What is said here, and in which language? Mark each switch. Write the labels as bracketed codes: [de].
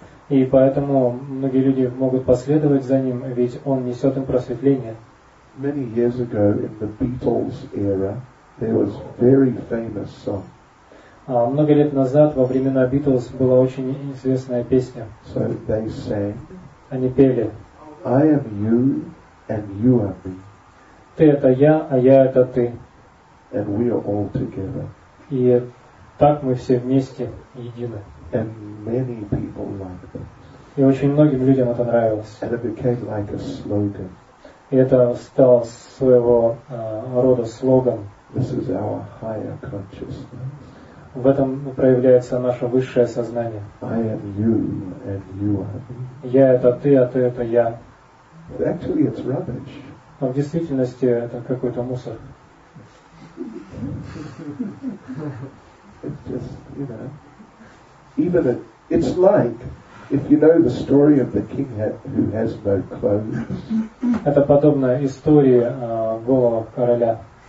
[ru] И поэтому многие люди могут последовать за ним, ведь он несет им просветление. [en] Many years ago in the Beatles era, there was very famous song. [ru] Много лет назад, во времена Beatles, была очень известная песня. [en] So they sang, [ru] они пели. [en] I am you, and you are me. [ru] Ты это я, а я это ты. [en] And we are all together. [ru] И так мы все вместе едины. [en] And many people liked it. [ru] И очень многим людям это нравилось. [en] And it became like a slogan. [ru] И это стало своего рода слоган. [en] This is our higher consciousness. [ru] В этом проявляется наше высшее сознание. [en] I am you, and you are me. [ru] Я это ты, а ты это я. [en] Actually, it's rubbish. [ru] Но в действительности это какой-то мусор. [en] It's like if you know the story of the king who has no clothes. [ru] Это подобная история голого короля.